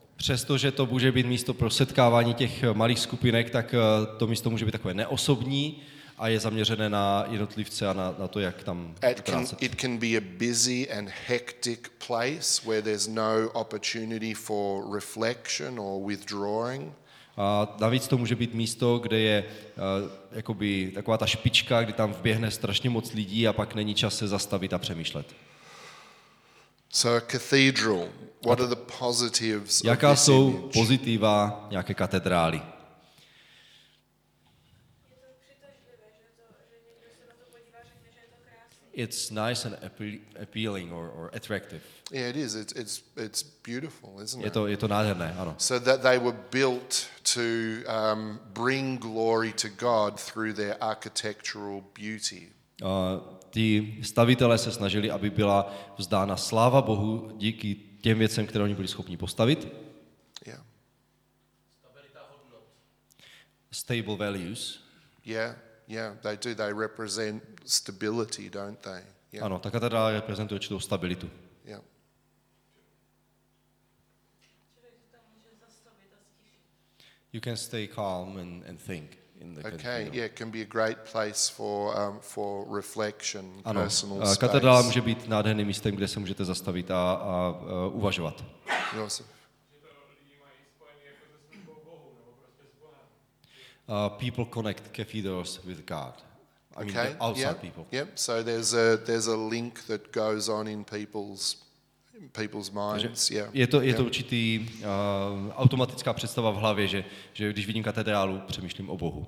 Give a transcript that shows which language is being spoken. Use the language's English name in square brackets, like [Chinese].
[Czech] Přestože to může být místo pro setkávání těch malých skupinek, tak to místo může být takové neosobní a je zaměřené na jednotlivce a na to, jak tam pracovat. [English] It can be a busy and hectic place where there's no opportunity for reflection or withdrawing. [Czech] A navíc to může být místo, kde je jakoby taková ta špička, kde tam vběhne strašně moc lidí a pak není čas se zastavit a přemýšlet. [English] So a cathedral, what are the positives? [Czech] Jaká jsou pozitiva nějaké katedrály? [English] It's nice and appealing or attractive. Yeah, it is. It's beautiful, isn't it? [Czech] Je to nádherné, ano. [English] So that they were built to bring glory to God through their architectural beauty. [Czech] Ty stavitelé se snažili, aby byla vzdána sláva Bohu díky těm věcem, které oni byli schopni postavit. [English] Yeah. [Czech] Stabilita hodnot. [English] Stable values. Yeah. Yeah, they do. They represent stability, don't they? Yeah. [Czech] Ano, ta katedrála reprezentuje určitou stabilitu. [English] Yeah. You can stay calm and think in the okay, cathedral. Yeah, it can be a great place for reflection, [Czech] ano, [English] personal space. [Czech] Ano, katedrála může být nádherným místem, kde se můžete zastavit a uvažovat. [English] Joseph. People connect cathedrals with God. I okay. mean, outside yeah. people. Yep. So there's a link that goes on in people's minds. [Czech] Takže yeah. Je to určitý automatická představa v hlavě, že když vidím katedrálu, přemýšlím o Bohu.